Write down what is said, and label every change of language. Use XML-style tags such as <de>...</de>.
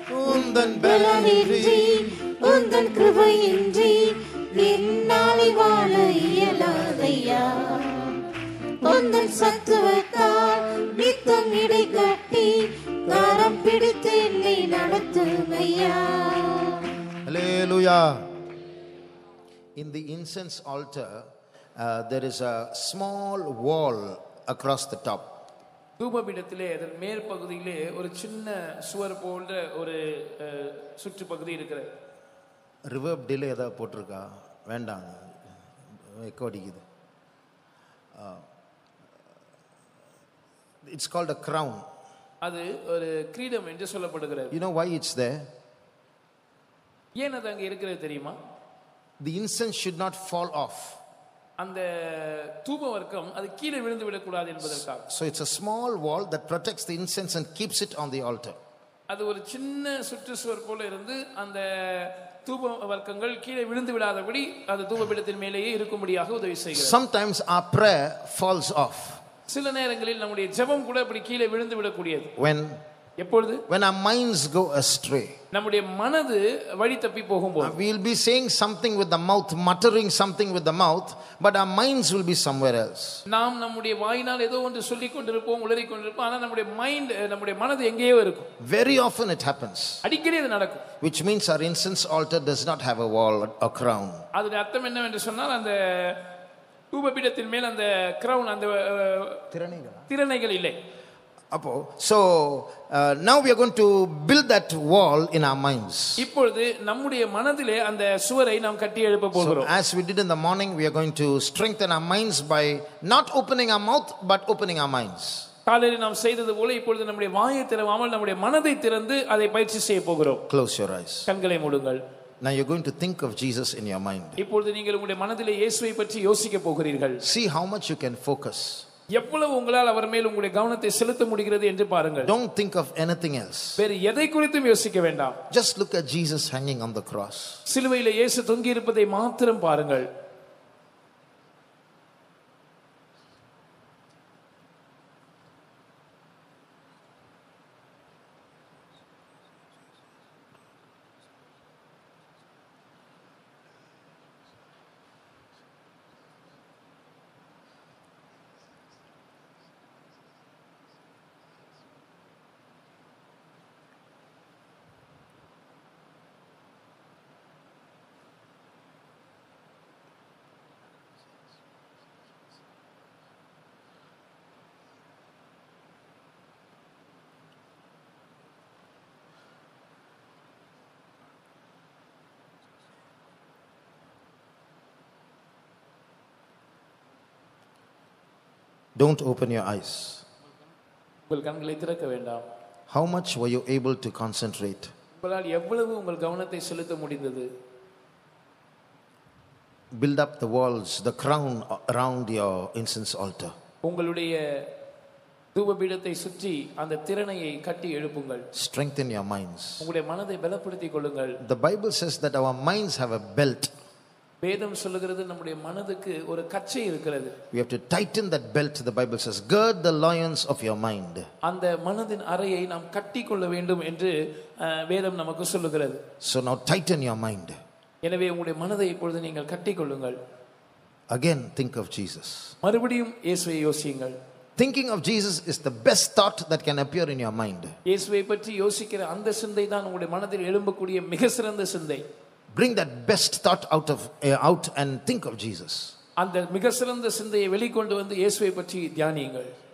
<ta>உந்தன் பலனின்றி உந்தன் கிருபையின்றி என்னாலே வாழ இயலாதையா, உந்தன் சத்துவத்தால் நித்தம் இடை கட்டி கரம் பிடித்து என்னை நடத்தும் ஐயா. அல்லேலூயா.</ta> <en>In the incense altar there is a small wall across the top.</en> <ta>தூபபீடத்திலே அதன் மேற்பகுதியிலே ஒரு சின்ன சுவர் போன்ற ஒரு சுற்று பகுதி இருக்கிற. ரிவர்ப் டிலே ஏதாவது போட்டிருக்கா? வேண்டாங்க, எக்கோ அடிக்குது.</ta> <en>It's called a crown.</en> <ta>அது ஒரு கிரீடம் என்று சொல்லப்படுகிறது.</ta> <en>You know why it's there?</en> <ta>ஏன் அது அங்கே இருக்கிறது தெரியுமா?</ta> <en>The incense should not fall off.</en> <ta>அந்த தூப வர்க்கம் அது கீழே விழுந்து விட கூடாது என்பதற்காக.</ta> <en>So it's a small wall that protects the incense and keeps it on the altar.</en> <ta>அது ஒரு சின்ன சுற்றுச்சுவர் போல இருந்து அந்த தூப வர்க்கங்கள் கீழே விழுந்து விடாதபடி அந்த தூபபீடத்தின் மேலேயே இருக்கும்படியாக உதவி செய்கிறது.</ta> <en>Sometimes our prayer falls off.</en> <ta>சில நேரங்களில் நம்முடைய ஜெபம் கூட அப்படி கீழே விழுந்து விட கூடியது.</ta> <en>When</en> <ta>எப்பொழுது?</ta> <en>When our minds go astray.</en> <ta>நம்முடைய மனது வழி தப்பி போகும்போது.</ta> <en>We will be saying something with the mouth, muttering something with the mouth, but our minds will be somewhere else.</en> <ta>நாம் நம்முடைய வாயினால் ஏதோ ஒன்று சொல்லிக் கொண்டிருப்போம், உளறிக் கொண்டிருப்போம், ஆனா நம்முடைய மைண்ட், நம்முடைய மனது எங்கேயோ இருக்கும்.</ta> <en>Very often it happens.</en> <ta>அடிக்கடி இது நடக்கும்.</ta> <en>Which means our incense altar does not have a wall or crown.</en> <ta>அது அர்த்தம் என்னவென்று சொன்னால் அந்த தூபபீடத்தின் மேல் அந்த crown, அந்த திரணைகள் இல்லை.</ta> <en>அப்போ so now we are going to build that wall in our minds.</en> <ta>இப்பொழுது நம்முடைய மனதிலே அந்த சுவரை நாம் கட்டி எழுப்ப போகிறோம்.</ta> <en>As we did in the morning, we are going to strengthen our minds by not opening our mouth but opening our minds.</en> <ta>காலையில் நாம் செய்தது போல இப்பொழுது நம்முடைய வாயை திறவாமல் நம்முடைய மனதை திறந்து அதை பயிற்சி செய்ய போகிறோம்.</ta> <en>Close your eyes.</en> <ta>கண்களை மூடுங்கள்.</ta> <en>Now you're going to think of Jesus in your mind.</en> <ta>இப்பொழுது நீங்கள் உங்கள் மனதிலே இயேசுவை பற்றி யோசிக்க போகிறீர்கள்.</ta> <en>See how much you can focus.</en> <ta>எவ்வளவு உங்களால் அவர் மேல் உங்களுடைய கவனத்தை செலுத்த முடிகிறது என்று பாருங்கள்.</ta> <en>Don't think of anything else.</en> <ta>வேறு எதை குறித்தும் யோசிக்க வேண்டாம்.</ta> <en>Just look at Jesus hanging on the cross.</en> <ta>சிலுவையில் இயேசு தொங்கி இருப்பதை மாத்திரம் பாருங்கள்.</ta> <en>Don't open your eyes.</en> <ta>உங்கள் கண்களை திறக்க வேண்டாம்.</ta> <en>How much were you able to concentrate?</en> <ta>உங்களால் எவ்வளவு உங்கள் கவனத்தை செலுத்த முடிந்தது?</ta> <en>Build up the walls, the crown around your incense altar.</en> <ta>உங்களுடைய தூபபீடத்தை சுற்றி அந்த திரணையை கட்டி எழுப்புங்கள்.</ta> <en>Strengthen your minds.</en> <ta>உங்களுடைய மனதை பலப்படுத்திக் கொள்ளுங்கள்.</ta> <en>The Bible says that our minds have a belt.</en> <ta>வேதம் சொல்கிறது நம்முடைய மனதுக்கு ஒரு கச்சை இருக்கிறது.</ta> <en>We have to tighten that belt, the Bible says. Gird the loins of your mind.</en> <ta>அந்த மனதின் அரையை நாம் கட்டிக்கொள்ள வேண்டும் என்று வேதம் நமக்கு சொல்கிறது.</ta> <en>So now tighten your mind.</en> <ta>எனவே உங்களுடைய மனதை இப்பொழுது நீங்கள் கட்டிக்கொள்ளுங்கள்.</ta> <en>Again think of Jesus.</en> <ta>மறுபடியும் இயேசுவை யோசியுங்கள்.</ta> <en>Thinking of Jesus is the best thought that can appear in your mind.</en> <ta>இயேசுவை பற்றி யோசிக்கிற அந்த சிந்தை தான் உங்களுடைய மனதில் எழும்பக்கூடிய மிக சிறந்த சிந்தை.</ta> <en>Bring that best thought out and think of Jesus.</en> <ta>அந்த மிக சிறந்த சிந்தையை வெளிக்கொண்டு வந்து இயேசுவை பற்றி தியானியுங்கள்.</ta>